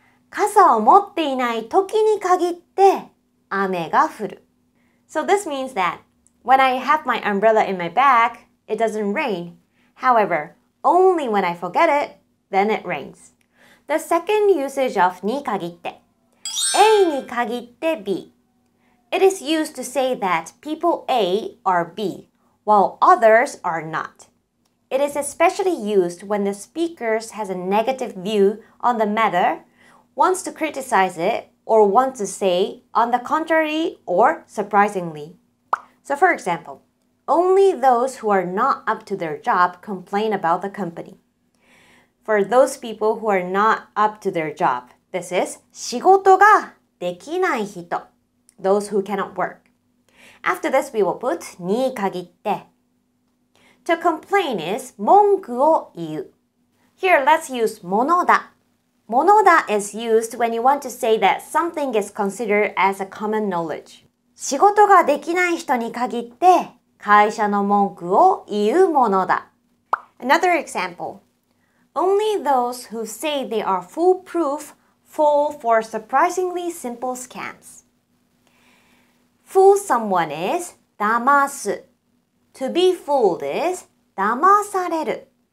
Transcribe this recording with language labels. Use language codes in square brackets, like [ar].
[ja] 傘を持っていないときに限って雨が降る。 [en] So this means that when I have my umbrella in my bag, it doesn't rain. However, only when I forget it, then it rains. The second usage of [ja] に限って。 [en] A に限って B. It is used to say that people A are B, while others are not. It is especially used when the speaker has a negative view on the matter, wants to criticize it, or wants to say on the contrary or surprisingly. So for example, only those who are not up to their job complain about the company. For those people who are not up to their job,This is [ja] 仕事ができない人 [en] those who cannot work. After this, we will put [ja] に限って [en] To complain is [ja] 文句を言う [en] Here, let's use [ja] ものだものだ [en] is used when you want to say that something is considered as a common knowledge. [ja] 仕事ができない人に限って会社の文句を言うものだ [en] Another example. Only those who say they are foolproof fall for surprisingly simple scams. Fool someone is [ja] 騙す. [en] To be fooled is [ja] 騙される.